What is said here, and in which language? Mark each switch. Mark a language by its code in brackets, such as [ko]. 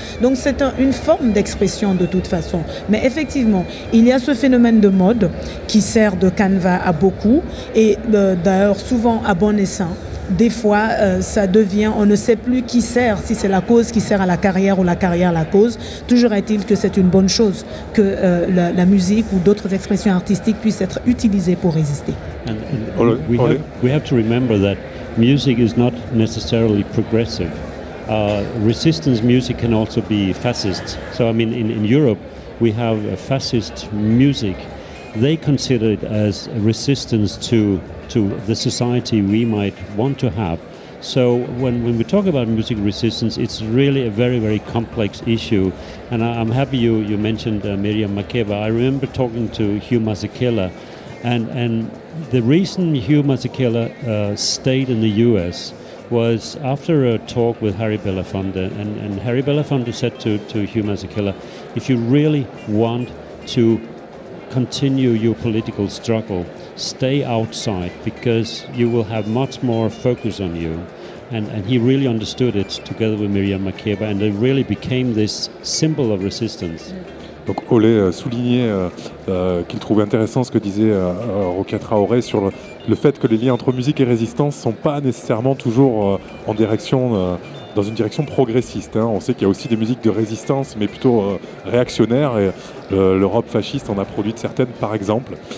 [fr] Donc c'est une forme d'expression de toute façon. Mais effectivement, il y a ce phénomène de mode qui sert de canevas à beaucoup et d'ailleurs souvent à bon escient. Des fois, ça devient, on ne sait plus qui sert, si c'est la cause qui sert à la carrière ou la carrière à la cause. Toujours est-il que c'est une bonne chose que la musique ou d'autres expressions artistiques puissent être utilisées pour résister. [en] We have to remember that music is not necessarily progressive. Resistance music can also be fascist. So, I mean, in Europe, we have a fascist music. They consider it as resistance to the society we might want to have. So when we talk about music resistance, it's really a very, very complex issue. And I'm happy you mentioned Miriam Makeba. I remember talking to Hugh Masekela, and the reason Hugh Masekela stayed in the US was after a talk with Harry Belafonte, and Harry Belafonte said to Hugh Masekela, if you really want to continue your political struggle, stay outside, because you will have much more focus on you. And he really understood it together with Miriam Makeba, and it really became this symbol of resistance. [fr] Donc Olé soulignait qu'il trouvait intéressant ce que disait Roquette Traoré sur le fait que les liens entre musique et résistance ne sont pas nécessairement toujours en direction, dans une direction progressiste. Hein. On sait qu'il y a aussi des musiques de résistance, mais plutôt réactionnaires, et l'Europe fasciste en a produit certaines, par exemple.